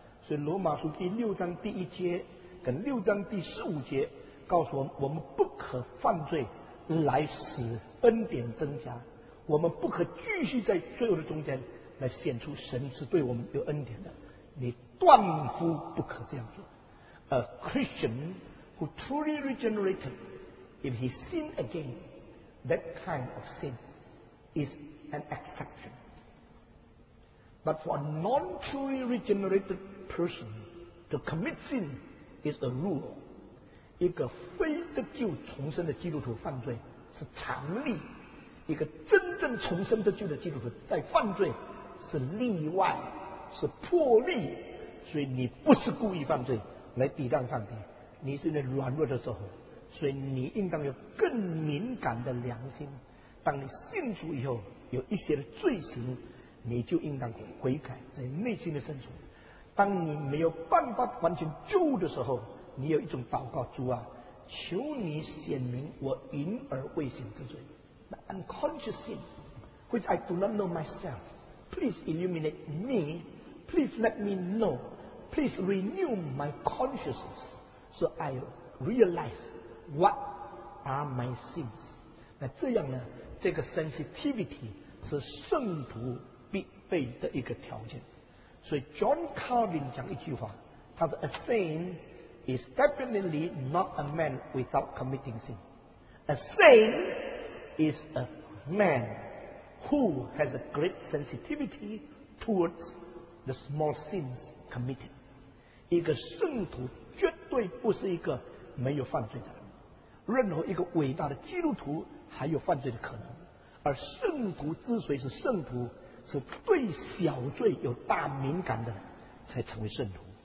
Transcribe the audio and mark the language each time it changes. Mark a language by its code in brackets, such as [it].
[zh] 所以罗马书第六章第一节跟六章第十五节告诉我们，我们不可犯罪来使恩典增加，我们不可继续在罪恶的中间来显出神是对我们有恩典的，你断乎不可这样做。 [en] A Christian who truly regenerated, if he sin again, that kind of sin is an exception. But for a non-truly regenerated person to commit sin is a rule. [zh] 一个非得救重生的基督徒犯罪是常例，一个真正重生得救的基督徒在犯罪是例外，是破例。所以你不是故意犯罪来抵挡上帝，你是在软弱的时候，所以你应当有更敏感的良心。当你信主以后有一些的罪行，你就应当悔改在内心的深处。当你没有办法完全救的时候，你有一种祷告，主啊，求你显明我隐而未显之罪， [en] The unconscious sin which I do not know myself, please illuminate me, please let me know, please renew my consciousness so I realize what are my sins. [zh] 那这样呢，这个 sensitivity 是圣徒必备的一个条件。所以 John Calvin 讲一句话，他说 [en] A saint is definitely not a man without committing sin. A saint is a man who has a great sensitivity towards the small sins committed. [zh] 一个圣徒绝对不是一个没有犯罪的人，任何一个伟大的基督徒还有犯罪的可能。而圣徒之所以是圣徒，是对小罪有大敏感的才成为圣徒。